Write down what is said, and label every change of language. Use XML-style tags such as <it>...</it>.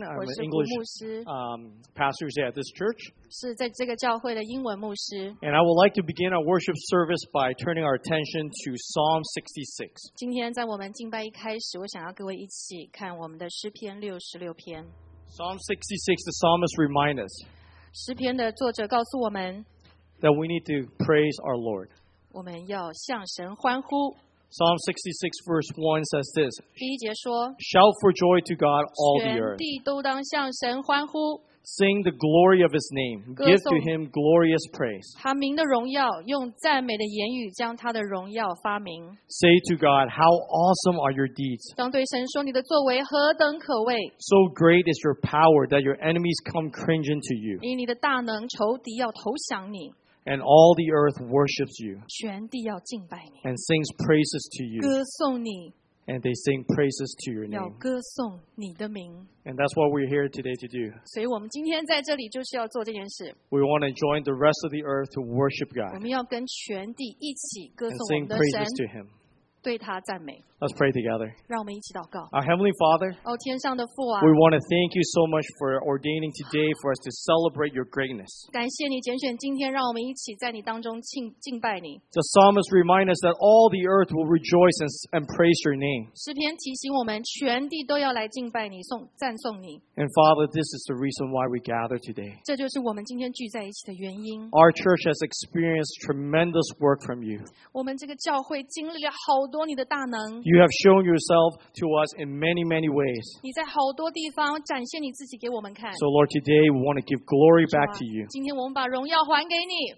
<en>I'm an English pastor here at this church.</en> <zh>是在这个教会的英文牧师。</zh> <en>And I would like to begin our worship service by turning our attention to Psalm 66.</en> <zh>今天在我们敬拜一开始，我想要各位一起看我们的诗篇六十六篇。</zh> <en>Psalm 66, the psalmist reminds us.</en> <zh>诗篇的作者告诉我们</zh> <en>that we need to praise our Lord.</en> <zh>我们要向神欢呼。</zh> <en>Psalm 66 verse 1 says this.</en> <zh>第一节说,</zh> <en>Shout for joy to God all the earth.</en> <zh>全地都当向神欢呼。</zh> <en>Sing the glory of his name. Give to him glorious praise.</en> <zh>他名的荣耀，用赞美的言语将他的荣耀发明。</zh> <en>Say to God, how awesome are your deeds.</en> <zh>当对神说你的作为何等可畏。</zh> <en>So great is your power that your enemies come cringing to you.</en> <zh>因你的大能，仇敌要投降你。</zh> <en>And all the earth worships you.</en> <zh>全地要敬拜你。</zh> <en>And sings praises to you.</en> <zh>歌颂你。</zh> <en>And they sing praises to your name.</en> <zh>要歌颂你的名。</zh> <en>And that's what we're here today to do.</en> <zh>所以我们今天在这里就是要做这件事。</zh> <en>We want to join the rest of the earth to worship God.</en> <zh>我们要跟全地一起歌颂我们的</zh> <en>神。And sing praises to him.</en> <zh>对他赞美。</zh> <en>Let's pray together.</en> <zh>让我们一起祷告。</zh> <en>Our Heavenly Father,</en> <zh>哦，天上的父啊。</zh> <en>We want to thank you so much for ordaining today for us to celebrate your greatness.</en> <zh>感谢你拣选今天让我们一起在你当中敬拜你。</zh> <en>The psalmist reminds us that all the earth will rejoice and praise your name.</en> <zh>诗篇提醒我们全地都要来敬拜你，赞颂你。</zh> <en>And Father, this is the reason why we gather today.</en> <zh>这就是我们今天聚在一起的原因。</zh> <en>Our church has experienced tremendous work from you.</en> <zh>我们这个教会经历了好多你的大能。</zh> <en>You have shown yourself to us in many, many ways.</en> <zh>你在好多地方展现你自己给我们看。</zh> <en>So Lord, today we want to give glory back to you.</en> <zh>今天我们把荣耀还给你。</zh>